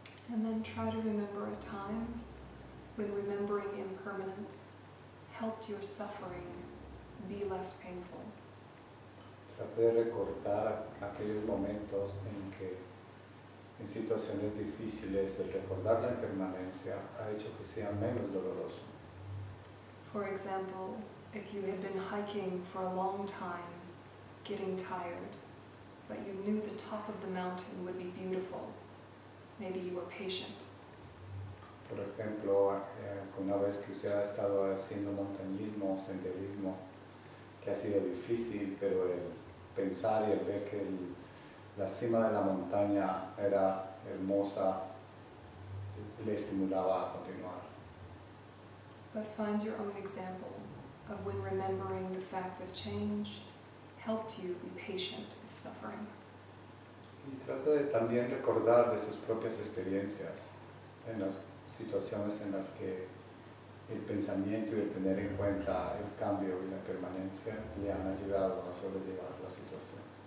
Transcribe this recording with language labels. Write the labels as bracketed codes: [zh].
[en] And then try to remember a time when remembering impermanence helped your suffering be less painful. [es] Trate de recordar aquellos momentos en que, en situaciones difíciles, el recordar la impermanencia ha hecho que sea menos doloroso. [en] For example, if you had been hiking for a long time, getting tired, but you knew the top of the mountain would be beautiful, maybe you were patient. [es] Por ejemplo, una vez que usted ha estado haciendo montañismo, senderismo, que ha sido difícil, pero el pensar y el ver que la cima de la montaña era hermosa, le estimulaba a continuar. [en] But find your own example of when remembering the fact of change helped you be patient with suffering. [es] Y trata de también recordar de sus propias experiencias en las situaciones en las que el pensamiento y el tener en cuenta el cambio y la permanencia le han ayudado a sobrellevar la situación.